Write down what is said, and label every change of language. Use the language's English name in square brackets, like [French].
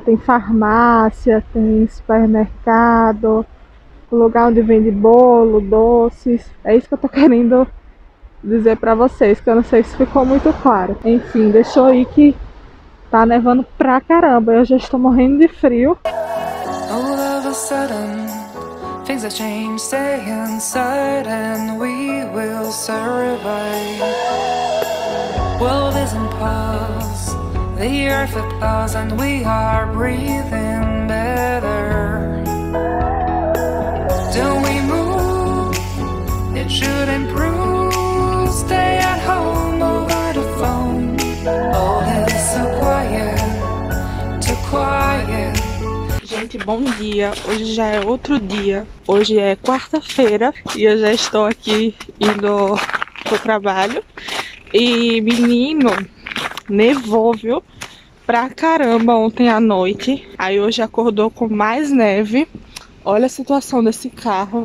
[Portuguese] Ó, tem farmácia, tem supermercado, lugar onde vende bolo, doces. É isso que eu tô querendo dizer pra vocês, que eu não sei se ficou muito claro. Enfim, deixa eu ir que tá nevando pra caramba. Eu já estou morrendo de frio. [English] All of a sudden, things have changed, stay inside and we will survive. World is in pause, the earth applauds, and we are breathing better. Don't we move? It should improve. Stay at home over the phone. All is so quiet, too quiet. [Portuguese] Gente, bom dia. Hoje já é outro dia. Hoje é quarta-feira e eu já estou aqui indo pro trabalho. E menino, nevou, viu? Pra caramba ontem à noite. Aí hoje acordou com mais neve. Olha a situação desse carro.